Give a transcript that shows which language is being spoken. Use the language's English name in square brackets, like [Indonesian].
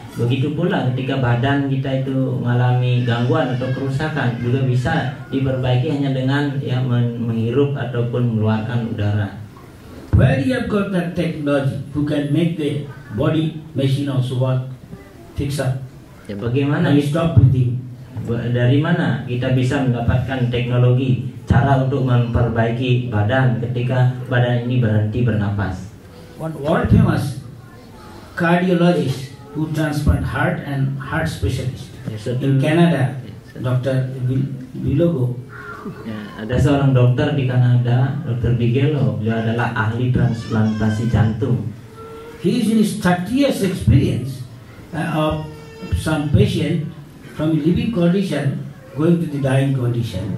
[Indonesian] Begitu pula ketika badan kita itu mengalami gangguan atau kerusakan juga bisa diperbaiki hanya dengan ya menghirup ataupun mengeluarkan udara. [English] Where you have got that technology who can make the body machine also work, fix up? [Indonesian] Ya, bagaimana? [English] And stop breathing. [Indonesian] Dari mana kita bisa mendapatkan teknologi cara untuk memperbaiki badan ketika badan ini berhenti bernapas? [English] One world famous cardiologist who transplant heart and heart specialist. Yes, in Canada, Dr. Bigelow. [Indonesian] Ya, ada seorang dokter di Kanada, Dr. Bigelow. Dia adalah ahli transplantasi jantung. [English] He is in his 30 years experience of some patient from living condition going to the dying condition.